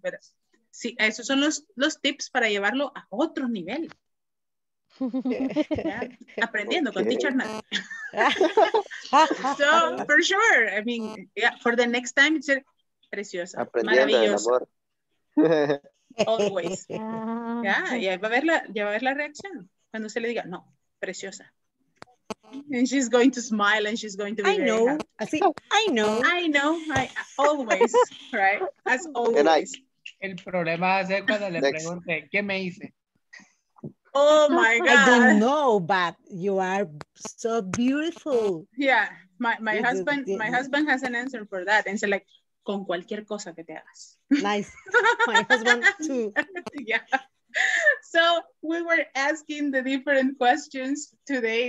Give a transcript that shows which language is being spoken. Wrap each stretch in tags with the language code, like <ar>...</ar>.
<es>But sí, esos son los tips para llevarlo a otro nivel. Yeah. Aprendiendo con</es> <en>teacher Nat. So for sure, I mean, yeah, for the next time it's</en> <es>preciosa, maravilloso.</es> <en>Always.</en> <es>Ya va a ver la reacción cuando se le diga no, preciosa.</es> <en>And she's going to smile and she's going to be I know. Así, I know. Always, right? As always.</en> <es>El problema es cuando le pregunte, ¿qué me hice?</es> <en>Oh my God. I don't know, but you are so beautiful. Yeah, my husband has an answer for that. And so like,</en> <es>con cualquier cosa que te hagas.</es> <en>Nice. My husband too. Yeah. So we were asking the different questions today.</en>